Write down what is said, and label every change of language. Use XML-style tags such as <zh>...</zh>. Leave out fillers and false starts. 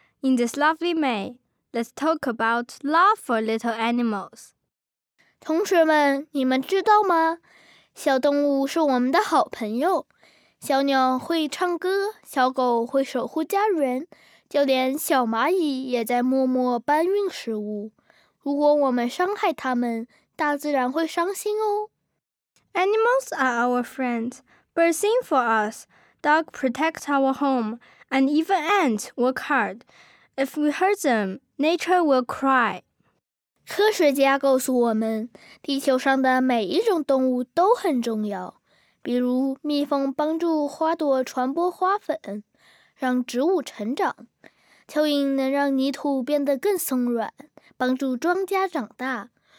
<en>In this lovely May, let's talk about love for little animals.</en> <zh>同学们，你们知道吗？小动物是我们的好朋友。小鸟会唱歌，小狗会守护家园，就连小蚂蚁也在默默搬运食物。如果我们伤害它们，大自然会伤心哦。</zh> <en>Animals are our friends. Birds sing for us, dogs protect our home, and even ants work hard. If we hurt them, nature will cry.</en> <zh>科学家告诉我们，地球上的每一种动物都很重要。比如，蜜蜂帮助花朵传播花粉，让植物成长；蚯蚓能让泥土变得更松软，帮助庄稼长大。</zh>